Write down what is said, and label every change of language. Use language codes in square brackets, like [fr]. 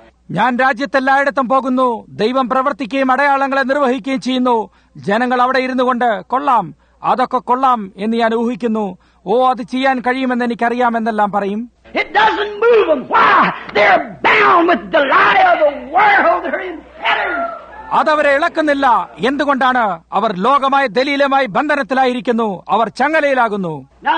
[ml] ഞാൻ രാജ്യത്തെല്ലായിടത്തും പോകുന്നു, ദൈവം പ്രവർത്തിക്കുകയും അടയാളങ്ങളെ നിർവഹിക്കുകയും ചെയ്യുന്നു, ജനങ്ങൾ അവിടെ ഇരുന്നു കൊണ്ട് കൊള്ളാം, അതൊക്കെ കൊള്ളാം എന്ന് ഞാൻ ഊഹിക്കുന്നു. ഓ, അത് ചെയ്യാൻ കഴിയുമെന്ന് എനിക്കറിയാമെന്നെല്ലാം പറയും. [en] It doesn't move them. Why? They're bound with the lie of the world. They're in fetters. [ml] അതവരെ ഇളക്കുന്നില്ല. എന്തുകൊണ്ടാണ്? അവർ ലോകമായ ദലീലമായി ബന്ധനത്തിലായിരിക്കുന്നു, അവർ ചങ്ങലയിലാകുന്നു.